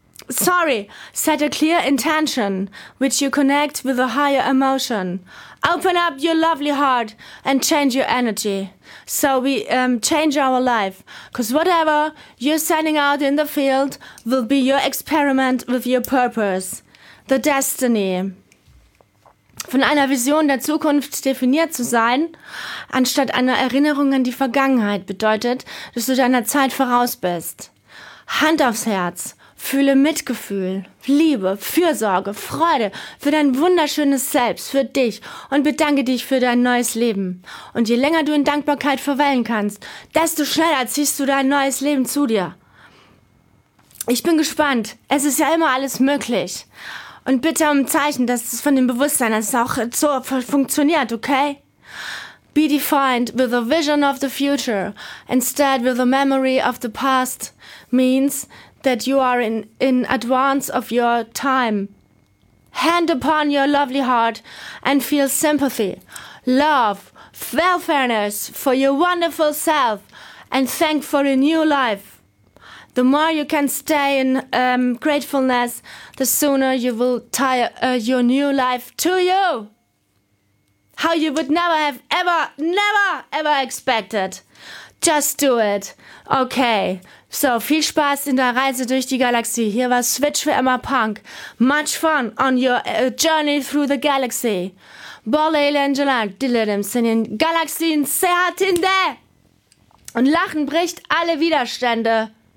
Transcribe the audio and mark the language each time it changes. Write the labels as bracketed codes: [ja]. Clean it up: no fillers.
[en] Sorry, set a clear intention, which you connect with a higher emotion. Open up your lovely heart and change your energy. So we change our life. Because whatever you're sending out in the field will be your experiment with your purpose. The destiny. [de] Von einer Vision der Zukunft definiert zu sein, anstatt einer Erinnerung an die Vergangenheit, bedeutet, dass du deiner Zeit voraus bist. Hand aufs Herz. Fühle Mitgefühl, Liebe, Fürsorge, Freude für dein wunderschönes Selbst, für dich und bedanke dich für dein neues Leben. Und je länger du in Dankbarkeit verweilen kannst, desto schneller ziehst du dein neues Leben zu dir. Ich bin gespannt. Es ist ja immer alles möglich. Und bitte um ein Zeichen, dass es von dem Bewusstsein, dass es auch so funktioniert, okay? [en] Be defined with a vision of the future instead with a memory of the past means that you are in advance of your time. hand upon your lovely heart and feel sympathy, love, welfareness for your wonderful self and thank for a new life. The more you can stay in gratefulness, the sooner you will tie your new life to you. How you would never have ever, never, ever expected. Just do it. Okay. [de] So, viel Spaß in der Reise durch die Galaxie. Hier war Switch für Emma Punk. [en] Much fun on your journey through the galaxy. Bolle Angela, Dilledem, Sinin, Galaxien, Sehatinde. [de] Und Lachen bricht alle Widerstände.